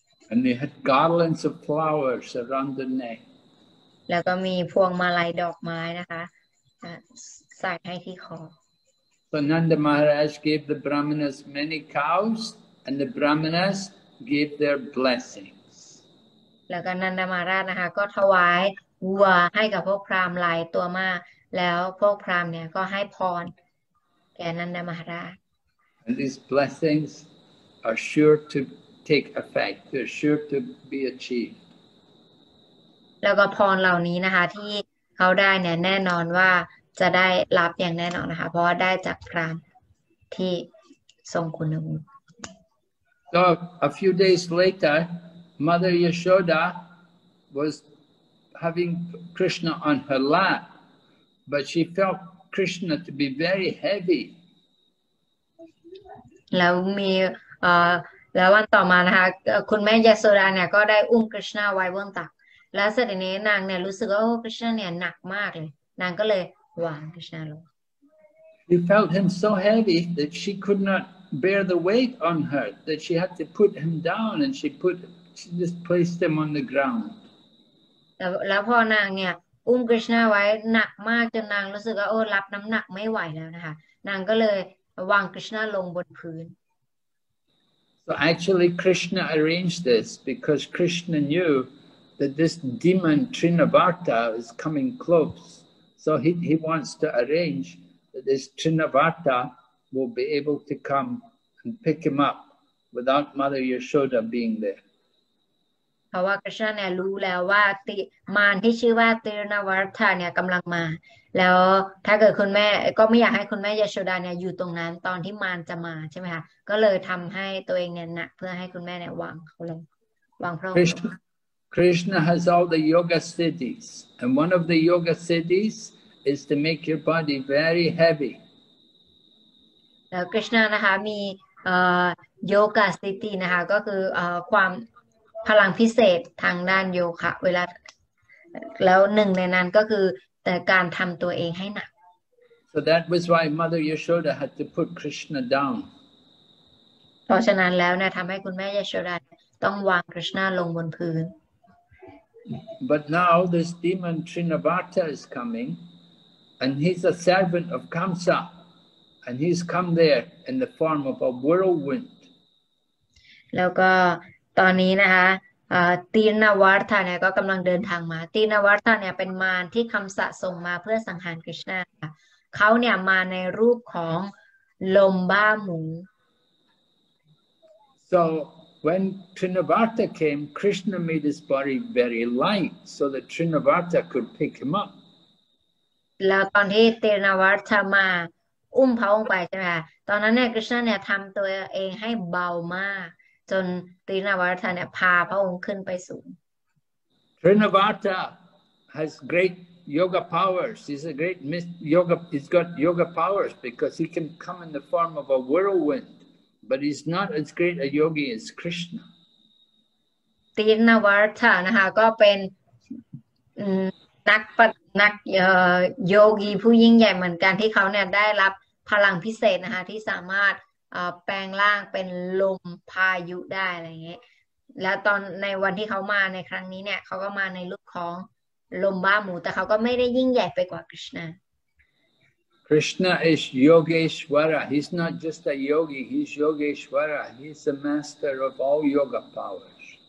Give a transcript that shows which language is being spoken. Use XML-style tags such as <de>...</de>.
<en>And they had garlands of flowers around the neck.</en> <th>แล้วก็มีพวงมาลัยดอกไม้นะคะใส่ให้ที่คอ</th> <en>So Nanda Maharaj gave the Brahmanas many cows, and the Brahmanas gave their blessings.</en> <th>แล้วก็นันดามหาราชนะคะก็ถวายวัวให้กับพวกพราหมณ์หลายตัวมากแล้วพวกพราหมณ์เนี่ยก็ให้พรแก่นันดามหาราช</th> <en>And these blessings are sure to take effect they're sure to be achieved</en> <th>แล้วก็พรเหล่านี้นะคะที่เขาได้เนี่ยแน่นอนว่าจะได้รับอย่างแน่นอนนะคะเพราะว่าได้จากพราหมณ์ที่ทรงคุณวุฒิ</th> <en>So a few days later mother Yashoda was having Krishna on her lap but she felt Krishna to be very heavy</en> <th>แล้วมีแล้ววันต่อมานะคะคุณแม่ยโสราเนี่ยก็ได้อุ้มกฤษณาไว้บนตักแล้วเสร็จนี้นางเนี่ยรู้สึกว่ากฤษณาเนี่ยหนักมากเลยนางก็เลยวางกฤษณาลง</th> <en>She felt him so heavy that she could not bear the weight on her that she had to put him down and she just placed him on the ground</en> <th>แล้วพอนางเนี่ยอุ้มกฤษณาไว้หนักมากจนนางรู้สึกว่าโอ้รับน้ำหนักไม่ไหวแล้วนะคะนางก็เลยวางกฤษณาลงบนพื้น</th> <en>So actually Krishna arranged this because Krishna knew that this demon Trnavarta is coming close. So he wants to arrange that this Trnavarta will be able to come and pick him up without Mother Yashoda being there.</en> <th>เพราะว่า Krishna เนี่ยรู้แล้วว่ามารที่ชื่อว่า Trnavarta เนี่ยกำลังมาแล้วถ้าเกิดคุณแม่ก็ไม่อยากให้คุณแม่ยโสดาเนี่ยอยู่ตรงนั้นตอนที่มารจะมาใช่ไหมคะก็เลยทำให้ตัวเองเนี่ยหนักเพื่อให้คุณแม่เนี่ยวางเขาลงวางพระองค์</th> <en>Krishna has all the yoga siddhis and one of the yoga siddhis is to make your body very heavy.</en> <th>Krishna นะคะมีโยคะสติตินะคะก็คือความพลังพิเศษทางด้านโยคะเวลาแล้วหนึ่งในนั้นก็คือแต่การทำตัวเองให้หนัก</th> <en>So that was why Mother Yashoda had to put Krishna down.</en> <th>เพราะฉะนั้นแล้วนะทำให้คุณแม่ Yashoda ต้องวาง Krishna ลงบนพื้น</th> <en>But now this demon Trnavarta is coming and he's a servant of Kamsa and he's come there in the form of a whirlwind.</en> <th>แล้วก็ตอนนี้นะคะตีนาวัฏฐาเนี่ยก็กำลังเดินทางมาตีนาวัฏฐาเนี่ยเป็นมารที่คำสะส่งมาเพื่อสังหารคริชนาเขาเนี่ยมาในรูปของลมบ้าหมู</th> <en>So when Trnavarta came, Krishna made his body very light so that Trnavarta could pick him up.</en> <th>แล้วตอนที่ตีนาวัฏฐามาอุ้มเขาลงไปใช่ไหมคะตอนนั้นเนี่ยคริชนาเนี่ยทำตัวเองให้เบามากจนตรีนาวาร์ทาเนี่ยพาพระองค์ขึ้นไปสูง</th> <en>Trnavarta has great yoga powers. He's a great yoga. He's got yoga powers because he can come in the form of a whirlwind. But he's not as great a yogi as Krishna.</en> <th>ตรีนาวาร์ทานะคะก็เป็นนักโยกีผู้ยิ่งใหญ่เหมือนกันที่เขาเนี่ยได้รับพลังพิเศษนะคะที่สามารถแปลงร่างเป็นลมพายุได้อะไรเงี้ยแล้วตอนในวันที่เขามาในครั้งนี้เนี่ยเขาก็มาในรูปของลมบ้าหมูแต่เขาก็ไม่ได้ยิ่งใหญ่ไปกว่าคริชนา</th> <en>คริชนา is Yogeshwara he's not just a yogi he's Yogeshwara he's the master of all yoga powers</en>